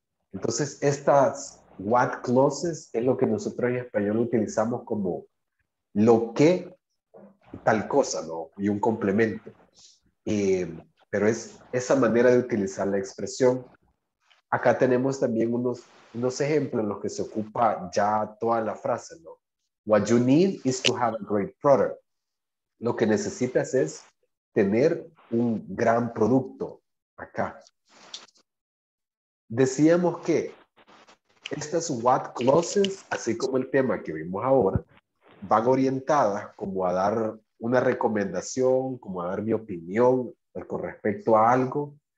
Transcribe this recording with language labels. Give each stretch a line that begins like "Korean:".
Spanish: Entonces, estas what clauses es lo que nosotros en español utilizamos como lo que tal cosa, ¿no? Y un complemento. Pero es esa manera de utilizar la expresión. Acá tenemos también unos ejemplos en los que se ocupa ya toda la frase, ¿no?
English: What you need is to have a great product.
Spanish: Lo que necesitas es tener un gran producto acá. Decíamos que estas what clauses, así como el tema que vimos ahora, van orientadas como a dar una recomendación, como a dar mi opinión con respecto a algo.